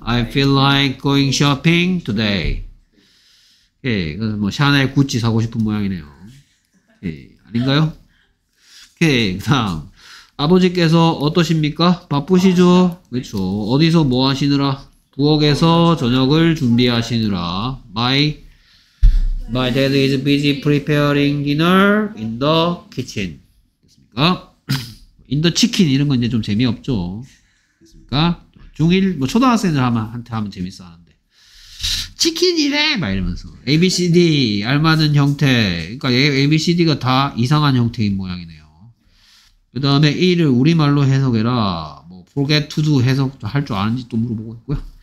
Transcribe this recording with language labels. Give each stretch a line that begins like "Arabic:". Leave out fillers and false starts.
English: I feel like going shopping today. 오케이.
Korean: 그래서 뭐 샤넬 구찌 사고 싶은 모양이네요. 오케이. 아닌가요? 오케이. 다음 아버지께서 어떠십니까? 바쁘시죠? 그렇죠. 어디서 뭐 하시느라? 부엌에서 저녁을 준비하시느라.
English: My dad is busy preparing dinner in the kitchen.
Korean: 됐습니까?
English: In the chicken
Korean: 이런 건 이제 좀 재미없죠. 됐습니까? 중1, 뭐 초등학생들 한테 하면 재밌어 하는데. 치킨이래! 막 이러면서. ABCD, 알맞은 형태. 그러니까 ABCD가 다 이상한 형태인 모양이네요. 그 다음에 E를 우리말로 해석해라. 뭐 forget to do 해석 할 줄 아는지 또 물어보고 있고요.